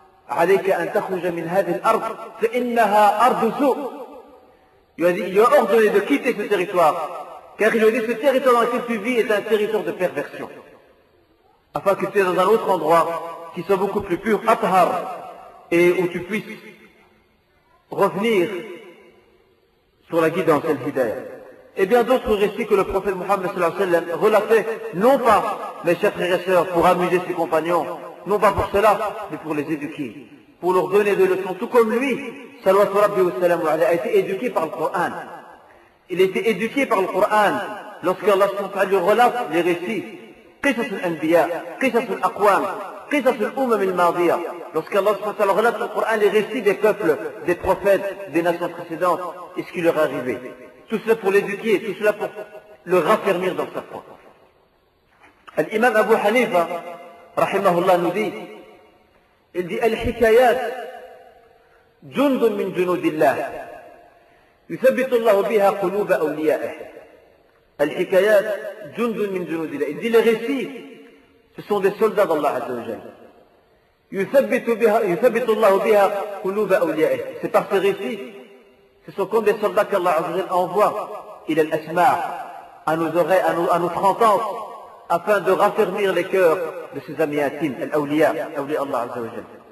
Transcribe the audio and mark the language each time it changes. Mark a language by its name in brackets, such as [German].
[Arabic] عليك أن تخرج من هذه الأرض فإنها أرض سوء. [French] Il lui a ordonné de quitter ce territoire, car il lui a dit, ce territoire dans lequel tu vis est un territoire de perversion, afin que tu aies dans un autre endroit qui soit beaucoup plus pur, athar, et où tu puisses revenir sur la guidance, al-hidayah. Et bien d'autres récits que le prophète Mohammed sallallahu alayhi wa sallam relatait, non pas, mes chers frères et sœurs, pour amuser ses compagnons, non pas pour cela, mais pour les éduquer, pour leur donner des leçons, tout comme lui, sallallahu alayhi wa sallam, a été éduqué par le Coran. Il a été éduqué par le Coran, lorsqu'Allah subhanahu wa ta'ala lui relate les récits, [Arabic] qisas al-anbiya, qisas al-aqwam, qisas al-umam al-madiya. [French] Lorsqu'Allah subhanahu wa ta'ala relate le Coran, les récits des peuples, des prophètes, des nations précédentes, et ce qui leur est arrivé. Tout cela pour l'éduquer, tout cela pour le raffermir dans sa foi. [Arabic] L'imam Abu Hanifa, رحمه الله [French] nous dit, il dit, [Arabic] الحكايات جند من جنود الله يثبت الله بها قلوب أوليائه. الحكايات جند من جنود الله. [French] Il dit, les récits, ce sont des soldats d'Allah عز وجل. [Arabic] يثبت الله بها قلوب أوليائه. [French] C'est par ces récits, ce sont comme des soldats qu'Allah عز وجل envoie [Arabic] إلى الأسماع, [French] à nos oreilles, à notre entente, afin de raffermir les cœurs de ses amis intimes, l'Awliya, l'Awliya Allah Azza wa Jal.